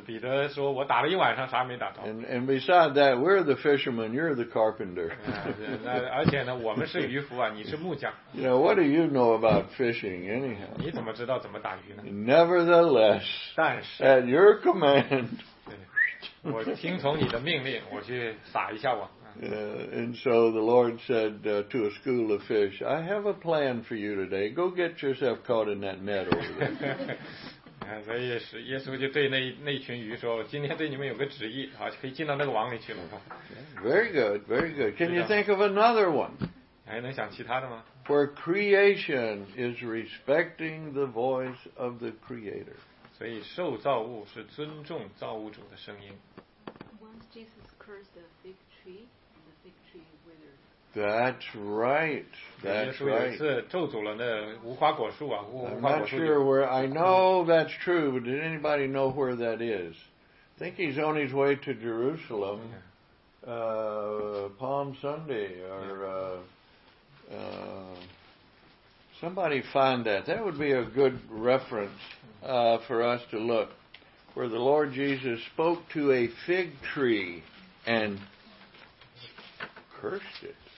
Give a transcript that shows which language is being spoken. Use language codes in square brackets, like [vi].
[zh] 彼得说我打了一晚上啥没打到。 [en] And beside that, we're the fishermen, you're the carpenter. [zh] 而且呢，我们是渔夫啊，你是木匠。 [en] You know, what do you know about fishing anyhow? [zh] 你怎么知道怎么打鱼呢？ [en] Nevertheless, [zh] 但是 [en] at your command, [zh] 我听从你的命令，我去撒一下网。 [en] And so the Lord said to a school of fish, I have a plan for you today. Go get yourself caught in that net over there. [zh] 所以是耶稣就对那群鱼说，今天对你们有个旨意，好，可以进到那个网里去了。 [en] Very good, very good. Can you think of another one? [zh] 还能想其他的吗？ [en] Where creation is respecting the voice of the creator. [zh] 所以受造物是尊重造物主的声音。 [en] Once Jesus cursed the fig tree, and the fig tree withered. That's right. That's right. [zh] 耶稣有一次咒诅了那无花果树啊，无花果树。 [en] I'm not sure where. I know that's true, but did anybody know where that is? I think he's on his way to Jerusalem, Palm Sunday, or somebody find that. That would be a good reference for us to look, where the Lord Jesus spoke to a fig tree and cursed it.